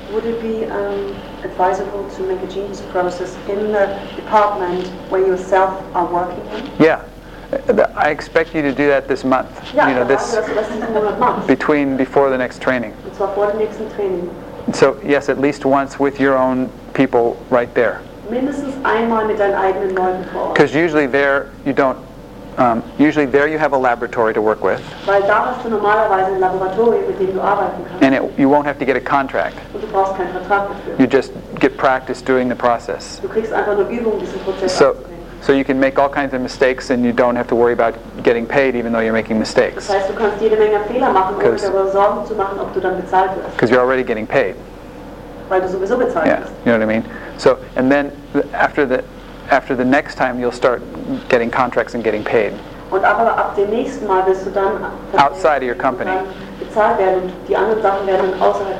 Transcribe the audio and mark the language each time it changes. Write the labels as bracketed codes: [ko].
[en] Would it be advisable to make a genius process in the department where you yourself are working in? Yeah, I expect you to do that this month. Yeah, you know, this between before the next training. [de] Und zwar vor dem nächsten Training. [en] So yes, at least once with your own people right there. [de] Mindestens einmal mit deinen eigenen Leuten vor Ort. [en] Because usually there you don't. Usually there you have a laboratory to work with. [de] Weil da hast du normalerweise ein Laboratorium, mit dem du arbeiten kannst. [en] And you won't have to get a contract. [de] Und du brauchst keinen Vertrag dafür. [en] You just get practice doing the process. [de] Du kriegst einfach nur Übung, diesen Prozess [en] So you can make all kinds of mistakes and you don't have to worry about getting paid even though you're making mistakes. [de] Das heißt, du kannst jede Menge Fehler machen, ohne darüber Sorgen zu machen, ob du dann bezahlt wirst. [en] Because you're already getting paid. [de] Weil du sowieso bezahlt wirst. [en] Yeah, you know what I mean? So, and then after the next time you'll start getting contracts and getting paid. [de] Und aber ab dem nächsten Mal wirst du dann [en] outside of your company. [de] Bezahlt werden und die anderen Sachen werden dann außerhalb